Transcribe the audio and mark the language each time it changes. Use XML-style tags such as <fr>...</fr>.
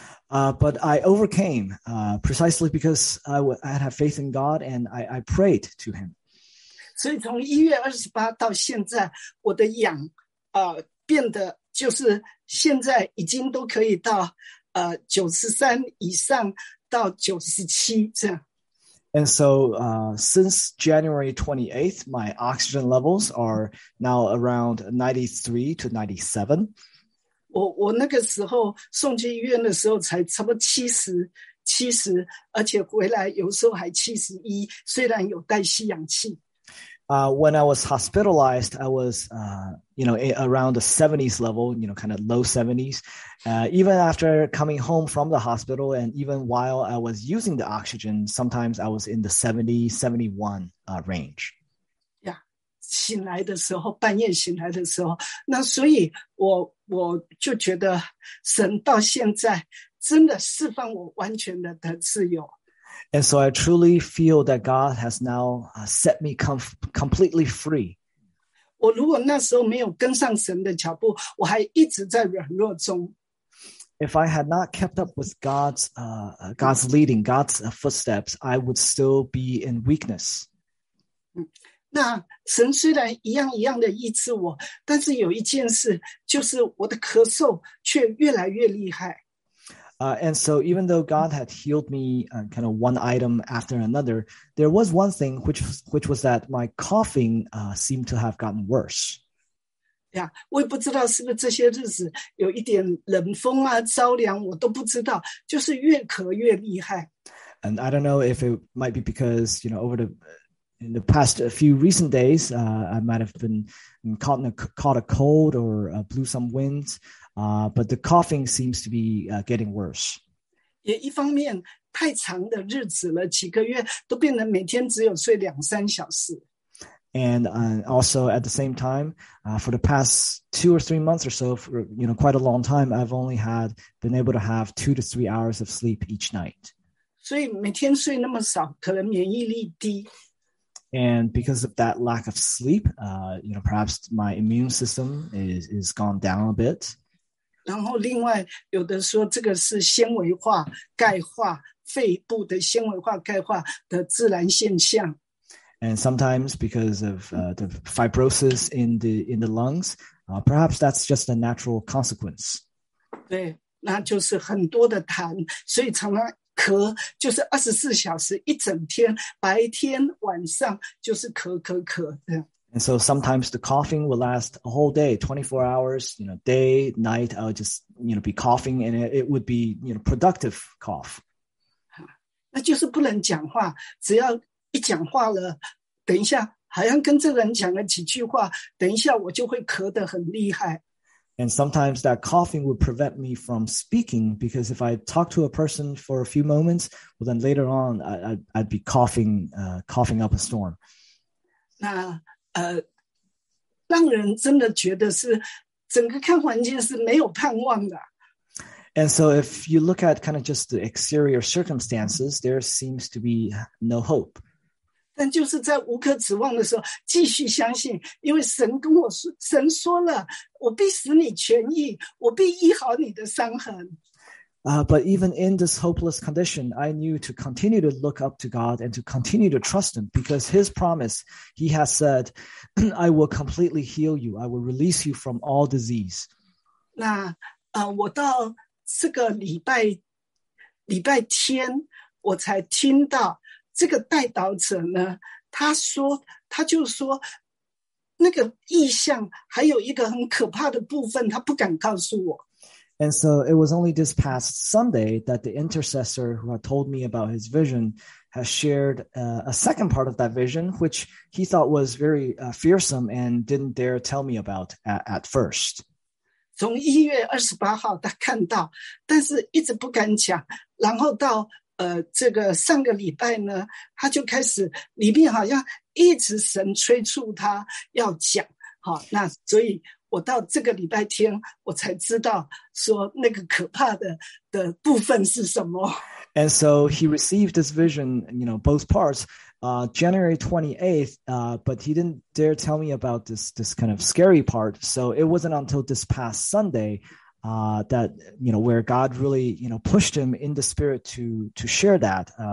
<en>But I overcame precisely because I had faith in God and I prayed to Him. So from</en> <zh>1月28 到现在，我的氧变得就是现在已经都可以到93以上到97这样。</zh> <en>And so since January 28th, my oxygen levels are now around 93 to 97.</en> <zh>我那个时候送去医院的时候才差不多70，而且回来有时候还71，虽然有带吸氧气。</zh> <en>When I was hospitalized, I was, you know, around the 70s level, you know, kind of low 70s. Even after coming home from the hospital and even while I was using the oxygen, sometimes I was in the 70, 71 range.</en> <zh>醒来的时候，半夜醒来的时候，那所以我就觉得神到现在真的释放我完全的自由。</zh> <en>And so I truly feel that God has now set me completely free.</en> <zh>我如果那时候没有跟上神的脚步，我还一直在软弱中。</zh> <en>If I had not kept up with God's leading, God's footsteps, I would still be in weakness.</en> <zh>那神虽然一样一样的医治我，但是有一件事，就是我的咳嗽却越来越厉害。</zh> <en>And so even though God had healed me kind of one item after another, there was one thing which was that my coughing seemed to have gotten worse.</en> <zh>Yeah, 我也不知道是不是这些日子有一点冷风啊，着凉，我都不知道，就是越咳越厉害。</zh> <en>And I don't know if it might be because, you know, over the... In the past a few recent days, I might have been caught a cold or blew some winds, but the coughing seems to be getting worse.</en> <zh>也一方面，太长的日子了，几个月都变成每天只有睡两三小时。</zh> <en>And also at the same time, for the past 2 or 3 months or so, for, you know, quite a long time, I've only had been able to have 2 to 3 hours of sleep each night.</en> <zh>所以每天睡那么少，可能免疫力低。</zh> <en>And because of that lack of sleep, you know, perhaps my immune system is gone down a bit.</en> <zh>然后另外有的说这个是纤维化、钙化、肺部的纤维化、钙化的自然现象。</zh> <en>And sometimes because of the fibrosis in the lungs, perhaps that's just a natural consequence.</en> <zh>对，那就是很多的痰，所以常常。咳就是24小时一整天白天晚上就是咳咳咳的。</zh> <en>And so sometimes the coughing will last a whole day, 24 hours, you know, day, night, I'll just, you know, be coughing and it would be, you know, productive cough.</en> <zh>那就是不能讲话，只要一讲话了，等一下好像跟这个人讲了几句话，等一下我就会咳得很厉害。</zh> <en>And sometimes that coughing would prevent me from speaking because if I talk to a person for a few moments, well, then later on, I'd be coughing up a storm.</en> <zh>那让人真的觉得是整个看环境是没有盼望的。</zh> <en>And so if you look at kind of just the exterior circumstances, there seems to be no hope.</en> <zh>但就是在无可指望的时候继续相信，因为神跟我说，神说了，我必使你痊愈，我必医好你的伤痕。</zh> <en>But even in this hopeless condition, I knew to continue to look up to God and to continue to trust Him because His promise, He has said, I will completely heal you, I will release you from all disease.</en> <zh>那我到这个礼拜天我才听到这个代祷者呢，他就说那个意象还有一个很可怕的部分，他不敢告诉我。</zh> <en>And so it was only this past Sunday that the intercessor who had told me about his vision has shared a second part of that vision, which he thought was very fearsome and didn't dare tell me about at first.</en> <zh>从1月28号他看到，但是一直不敢讲，然后到这个上个礼拜呢，他就开始里面好像一直神催促他要讲，好，那所以我到这个礼拜天我才知道说那个可怕 的部分是什么。</zh> <en>And so he received this vision, you know, both parts, January 28th, but he didn't dare tell me about this kind of scary part. So it wasn't until this past Sunday, that, you know, where God really, you know, pushed him in the spirit to share that.</en>